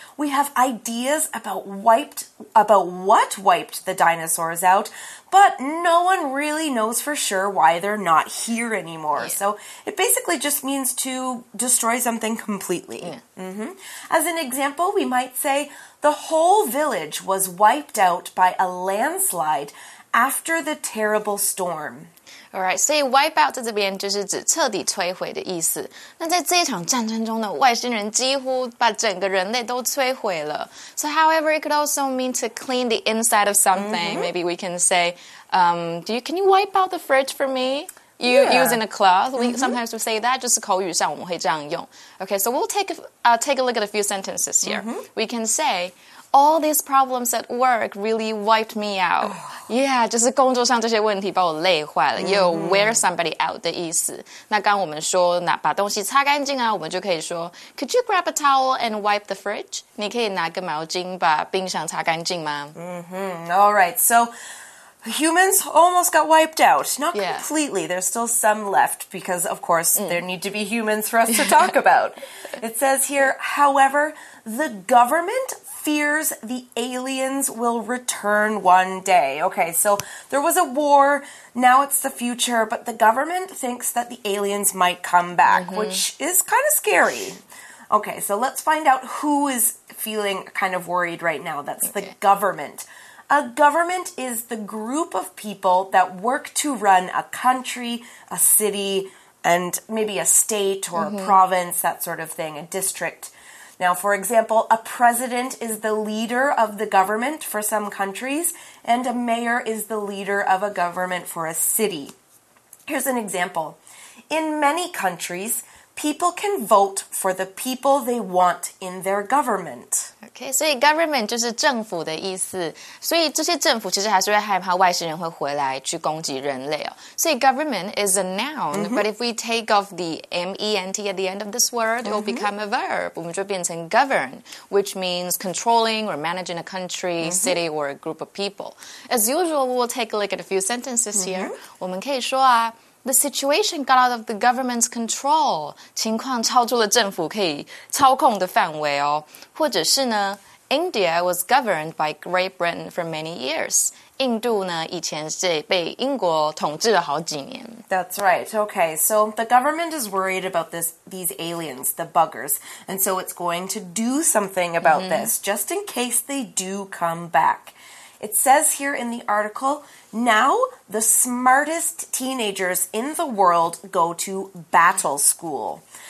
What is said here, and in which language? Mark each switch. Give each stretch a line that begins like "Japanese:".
English: We have ideas about what wiped the dinosaurs out, but no one really knows for sure why they're not here anymore. Yeah. So it basically just means to destroy something completely. Yeah. Mm-hmm. As an example, we might say, the whole village was wiped out by a landslide after the terrible storm.
Chinese: Alright, 所以 wipe out 在这边就是指彻底摧毁的意思。那在这一场战争中呢，外星人几乎把整个人类都摧毁了。
English: So however, it could also mean to clean the inside of something. Mm-hmm. Maybe we can say, can you wipe out the fridge for me? You using a cloth? We mm-hmm. sometimes we say that,
Chinese: 就是口语上我们会这样用。
English: Okay, so we'll take a look at a few sentences here. Mm-hmm. We can say, all these problems at work really wiped me out.
Chinese: Yeah, 就是工作上这些问题把我累坏了、mm-hmm. 也有 wear somebody out 的意思。那刚我们说拿把东西擦干净啊，我们就可以说
English: Could you grab a towel and wipe the fridge?
Chinese: 你可以拿个毛巾把冰箱擦干净吗、
English: mm-hmm. Alright, so humans almost got wiped out. Not completely.、Yeah. There's still some left because, of course,、mm. there need to be humans for us to talk about. It says here, however, the government fears the aliens will return one day. Okay, so there was a war. Now it's the future. But the government thinks that the aliens might come back,、mm-hmm. which is kind of scary. Okay, so let's find out who is feeling kind of worried right now. That's、okay. the government. A government is the group of people that work to run a country, a city, and maybe a state or、mm-hmm. a province, that sort of thing, a district. Now, for example, a president is the leader of the government for some countries, and a mayor is the leader of a government for a city. Here's an example. In many countries... People can vote for the people they want in their government.
Chinese: Okay, 所以 government 就是政府的意思。所以这些政府其实还是会害怕外星人会回来去攻击人类哦。所以
English: government is a noun,、mm-hmm. but if we take off the M-E-N-T at the end of this word, it will become a verb.
Chinese: 我们就变成
English: govern, which means controlling or managing a country,、mm-hmm. city, or a group of people. As usual, we'll take a look at a few sentences here.、Mm-hmm.
Chinese: 我们可以说啊,
English: The situation got out of the government's control.
Chinese: 情况超出了政府可以操控的范围哦。或者是呢
English: ,India was governed by Great Britain for many years.
Chinese: 印度呢以前是被英国统治了好几年。
English: That's right. Okay, so the government is worried about these aliens, the buggers. And so it's going to do something about、mm-hmm. this, just in case they do come back. It says here in the article, now the smartest teenagers in the world go to battle school.